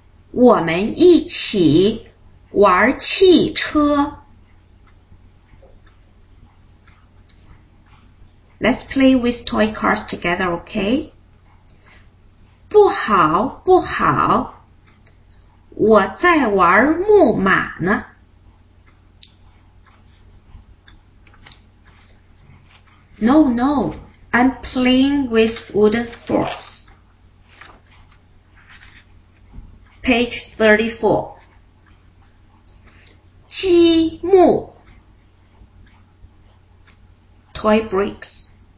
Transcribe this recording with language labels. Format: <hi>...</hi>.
<zh>我们一起玩汽车。</zh> <en>Let's play with toy cars together, okay?</en> <zh>不好，不好，我在玩木马呢。</zh> <en>No, no, I'm playing with wooden forks. Page 34. 积木 Toy bricks.</en>